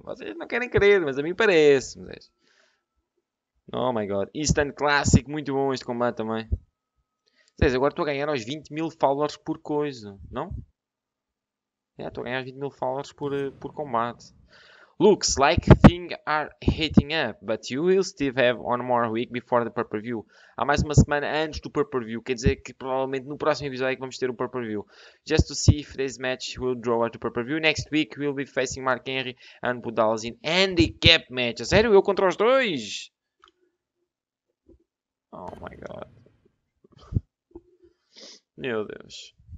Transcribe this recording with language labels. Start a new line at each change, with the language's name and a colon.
Portuguese: Vocês não querem crer, mas a mim parece-me.
English: Oh my God. Instant Classic.
Portuguese: Muito bom este combate também. Zez, agora estou a ganhar aos 20 mil followers por coisa. Não? É, estou a ganhar 20 mil followers por combate.
English: Looks like things are heating up, but you will still have one more week before the pay-per-view.
Portuguese: Há mais uma semana antes do pay-per-view, quer dizer que provavelmente no próximo episódio é que vamos ter o pay-per-view.
English: Just to see if this match will draw out the pay-per-view, next week we'll be facing Mark Henry and Bo Dallas in handicap match.
Portuguese: A sério, eu contra os dois?
English: Oh my God.
Portuguese: Meu Deus.